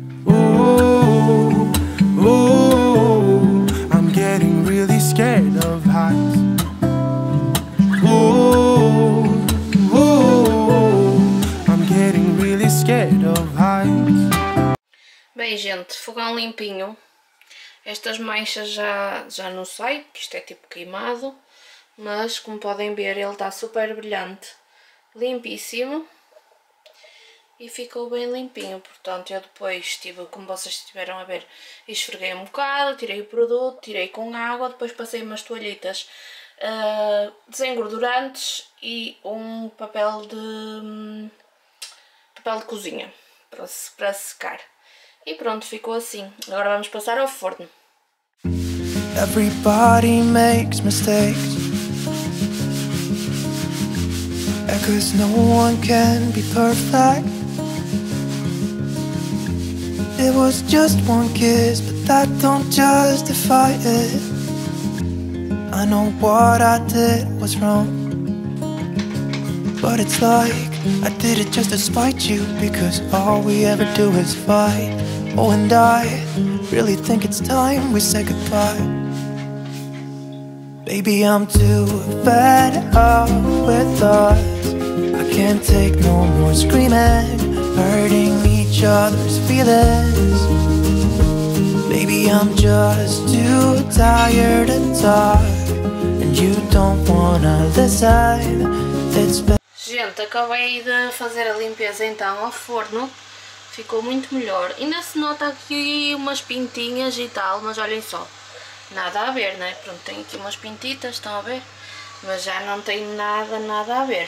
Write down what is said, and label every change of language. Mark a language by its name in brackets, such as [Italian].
[English] Ooh, ooh, I'm getting really scared of heights. Ooh, ooh, I'm getting really scared of heights. [Portuguese] Bem, gente, fogão limpinho. Estas manchas já não sei, que isto é tipo queimado, mas como podem ver, ele está super brilhante, limpíssimo. e ficou bem limpinho. Portanto, eu depois tive, como vocês estiveram a ver, esfreguei um bocado, tirei o produto, tirei com água, depois passei umas toalhitas desengordurantes e um papel de cozinha para secar. E pronto, ficou assim. Agora vamos passar ao forno. [English] Everybody makes mistakes. Cause no one can be perfect. It was just one kiss, but that don't justify it. I know what I did was wrong, but it's like I did it just to spite you, because all we ever do is fight. Oh, and I really think it's time we say goodbye. Baby, I'm too fed up with us. I can't take no more screaming, hurting each other's feelings. Maybe I'm just too tired to talk, and you don't wanna listen. It's been... [Portuguese] Gente, acabei de fazer a limpeza então ao forno. Ficou muito melhor. Ainda se nota aqui umas pintinhas e tal, mas olhem só. Nada a ver, né? Pronto, tem aqui umas pintitas, estão a ver? Mas já não tem nada, nada a ver.